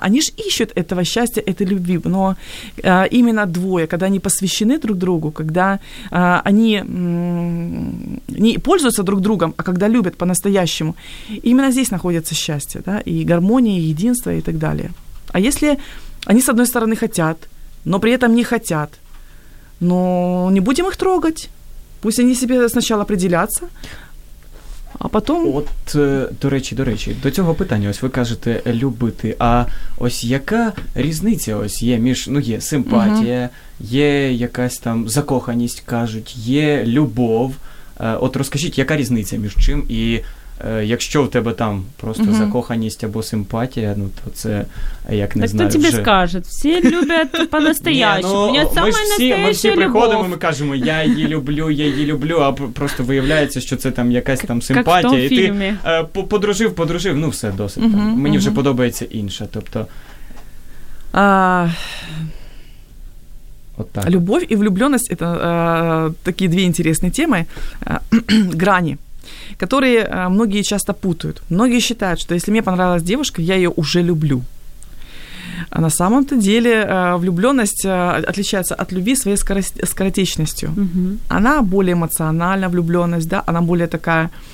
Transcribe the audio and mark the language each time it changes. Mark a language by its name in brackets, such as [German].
[Russian] Они же ищут этого счастья, этой любви. Но именно двое, когда они посвящены друг другу, когда они не пользуются друг другом, а когда любят по-настоящему, именно здесь находится счастье, да, и гармония, и единство, и так далее. А если они, с одной стороны, хотят, но при этом не хотят, но не будем их трогать, пусть они себе сначала определятся, а потом... [Ukrainian] От, до речі, до цього питання, ось ви кажете любити, а ось яка різниця ось є між, ну, є симпатія, uh-huh. є якась там закоханість, кажуть, є любов. От розкажіть, яка різниця між чим, і якщо в тебе там просто uh-huh. закоханість або симпатія, ну, то це, як не так знаю, вже... Так хто тобі скаже? Всі люблять по-настоящему. Ні, ну, ми всі приходимо, ми кажемо, я її люблю, а просто виявляється, що це там якась там симпатія. Як в тому фільмі. І ти подружив, ну, все, досить. Uh-huh. Мені uh-huh. вже подобається інша, тобто... От так. Любов і влюбленість – це такі дві інтересні теми, грані. [Russian] Которые многие часто путают. Многие считают, что если мне понравилась девушка, я ее уже люблю. А на самом-то деле влюбленность отличается от любви своей скоротечностью. Угу. Она более эмоциональна, влюбленность, да, она более такая...